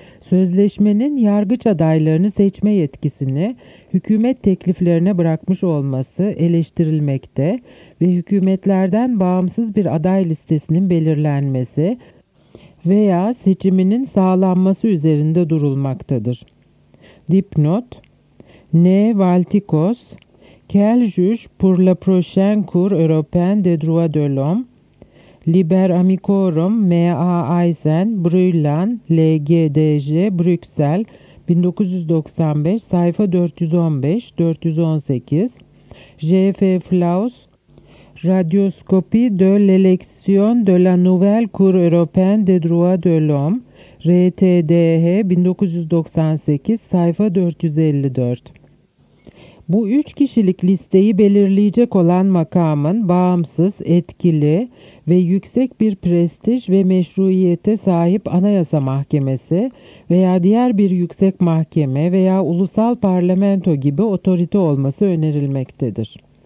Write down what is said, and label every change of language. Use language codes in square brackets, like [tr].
[tr] sözleşmenin yargıç adaylarını seçme yetkisini hükümet tekliflerine bırakmış olması eleştirilmekte ve hükümetlerden bağımsız bir aday listesinin belirlenmesi veya seçiminin sağlanması üzerinde durulmaktadır. Dipnot: N. [fr] Valtikos, Quel juge pour la prochaine Cour européenne des droits de l'homme? Liber Amicorum M.A. Eisen, Brüllan, L.G.D.J. [tr] Brüksel, 1995, sayfa 415-418, J.F. [fr] Flaus, Radioscopie de l'élection de la nouvelle Cour européenne des droits de l'homme, R.T.D.H. [tr] 1998, sayfa 454. Bu üç kişilik listeyi belirleyecek olan makamın bağımsız, etkili ve yüksek bir prestij ve meşruiyete sahip Anayasa Mahkemesi veya diğer bir yüksek mahkeme veya ulusal parlamento gibi otorite olması önerilmektedir.